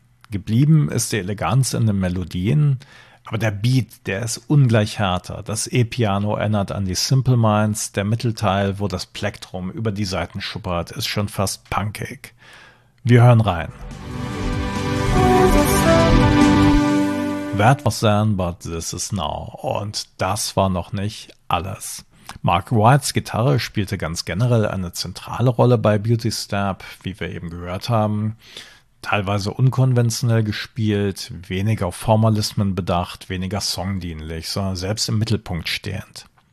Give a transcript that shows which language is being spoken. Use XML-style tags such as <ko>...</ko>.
<de>Geblieben ist die Eleganz in den Melodien. Aber der Beat, der ist ungleich härter. Das E-Piano erinnert an die Simple Minds. Der Mittelteil, wo das Plektrum über die Saiten schuppert, ist schon fast punkig. Wir hören rein.</de> <en>That was then, but this is now.</en> <de>Und das war noch nicht alles. Mark Whites Gitarre spielte ganz generell eine zentrale Rolle bei Beauty Stapp, wie wir eben gehört haben. Teilweise unkonventionell gespielt, weniger auf Formalismen bedacht, weniger songdienlich, sondern selbst im Mittelpunkt stehend.</de>